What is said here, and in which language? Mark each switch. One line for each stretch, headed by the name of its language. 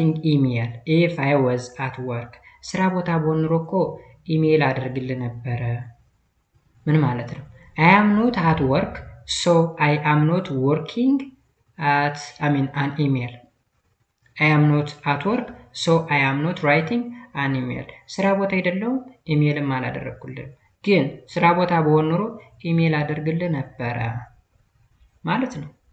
English: email if i was at work
Amharic: ስራ ቦታ ቦንሮኮ ኢሜል አድርግልኝ ነበር ምን ማለት ነው
English: i am not at work so i am not working an email. I am not at work, so I am not writing an email.
Amharic: ስራ ቦታ አይደለሁም ኢሜልም አላደረኩልህ ግን ስራ ቦታ ብሆን ኖሮ ኢሜል አደርግልህ ነበር ማለት ነው.